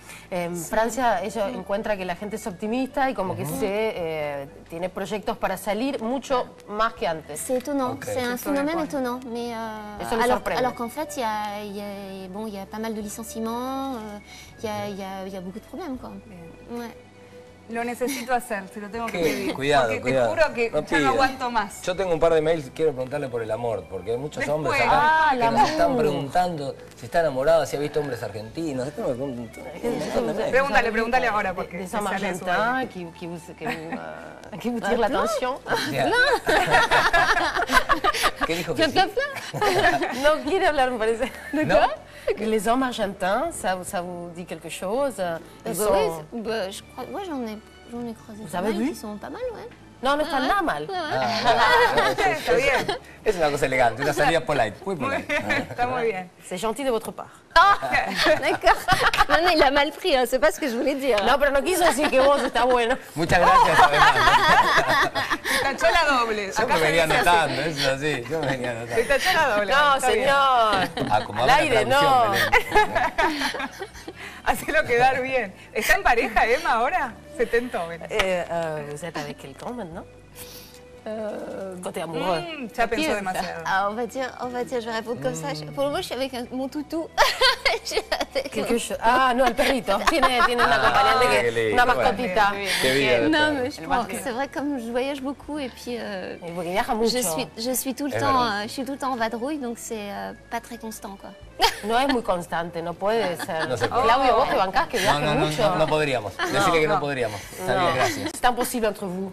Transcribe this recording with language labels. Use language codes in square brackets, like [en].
[es] En Francia ellos encuentran que la gente es optimista y como que tiene proyectos para salir mucho más que antes. [fr] C'est étonnant, c'est un phénomène étonnant, mais alors qu'en fait il y a pas mal de licenciements, il y a beaucoup de problèmes quoi. Ouais. [es] Lo necesito hacer, te lo tengo que pedir. Cuidado. Te juro que no, ya no aguanto más. Yo tengo un par de mails, quiero preguntarle por el amor, porque hay muchos después, hombres acá que nos están preguntando si está enamorada, si ha visto hombres argentinos. Es como que pregúntale ahora, porque es un argentino que busca la atención. ¿Qué dijo que sí? No quiere hablar, me parece. ¿De qué? [fr] Que les hommes argentins, ça vous dit quelque chose? Ils sont... Oui, j'en ai croisé. Vous avez vu? Ils sont pas mal, ouais. [es] No, no está nada mal. Está bien. Es una cosa elegante, una salida polite, muy polite. Está muy bien. [fr] C'est gentil de votre part. D'accord. Non, il a mal pris, hein. C'est pas ce que je voulais dire. [es] Non, pero no quiso decir que vos está bueno. Muchas gracias. Tachó la doble. Yo me venía anotando, eso es así. Yo me venía anotando. Se tachó la doble. No, señor. Acomodame la traducción, no. Hacelo quedar bien. ¿Está en pareja, Emma, ahora? Se tentó. [fr] Vous êtes avec quelqu'un maintenant? Côté amoureux. Tu as pensé [es] demasiado. [fr] Ah, on va dire, je vais répondre comme ça. Pour le moment, je suis avec mon toutou. Quelque chose. Ah, non, le [es] perrito. Tiene una compañera, una mascotita. [fr] Non, mais je pense que c'est vrai, comme je voyage beaucoup et puis. Je suis tout le temps en vadrouille, donc c'est pas très constant, quoi. [es] No es muy constante, no puede ser. No sé, Claudio, vos que bancás, que viajas mucho. No podríamos. Decirle que no podríamos. Está bien, gracias. Es tan posible entre vos.